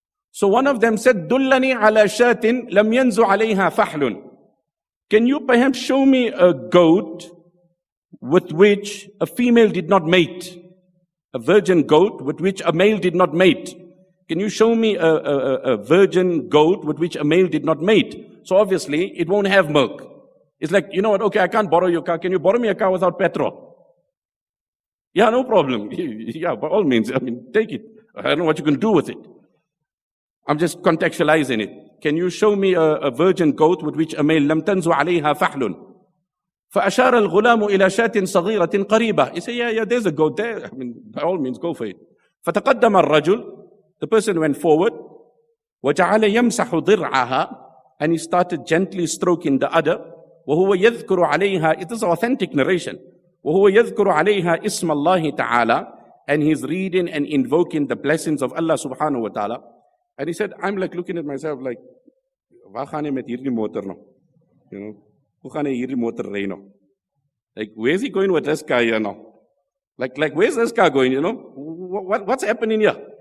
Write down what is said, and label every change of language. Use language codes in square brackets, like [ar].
[en] So one of them said, [ar] دلني على شات لم ينزو عليها فحل. [en] Can you perhaps show me a goat with which a female did not mate? A virgin goat with which a male did not mate. Can you show me a virgin goat with which a male did not mate? So obviously, it won't have milk. It's like, you know what, okay, I can't borrow your car. Can you borrow me a car without petrol? Yeah, no problem. Yeah, by all means, I mean, take it. I don't know what you can do with it. I'm just contextualizing it. Can you show me a virgin goat with which a male [ar] لم تنزو عليها فحلٌ. فأشار الغلام إلى شاة صغيرة قريبة. [en] He said, yeah, there's a goat there. I mean, by all means, go for it. [ar] فتقدم الرجل. [en] The person went forward. [ar] وجعل يمسح ضرعها. [en] And he started gently stroking the udder. [ar] وهو يذكر عليها. [en] It is authentic narration. [ar] وهو يذكر عليها اسم الله تعالى. [en] And he's reading and invoking the blessings of Allah subhanahu wa ta'ala. And he said, I'm like looking at myself like, واخاني متيرني موترنو. You know? Like, where is he going with this guy, you know? Like, where's this car going? You know, what's happening here?